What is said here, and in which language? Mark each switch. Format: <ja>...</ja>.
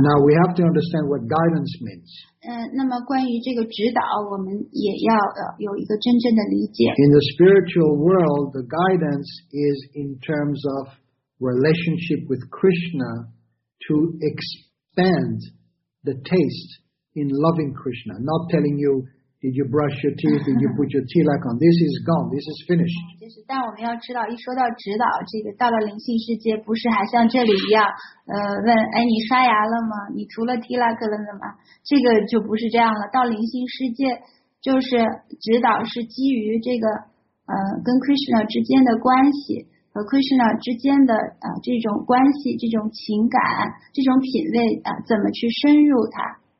<en>Now we have to understand what guidance means.</en> <zh>那么关于这个指导，我们也要有一个真正的理解。</zh> <en>In the spiritual world, the guidance is in terms of relationship with Krishna to expand the taste in loving Krishna. Not telling you, did you brush your teeth? Did you put your tilak on? This is gone. This is finished.</en> <zh>就是，但我们要知道，一说到指导，这个到了灵性世界，不是还像这里一样。问哎，你刷牙了吗？你除了 tilak 了的吗？这个就不是这样了。到灵性世界，就是指导是基于这个跟 Krishna 之间的关系和 Krishna 之间的这种关系、这种情感、这种品味怎么去深入它？</zh>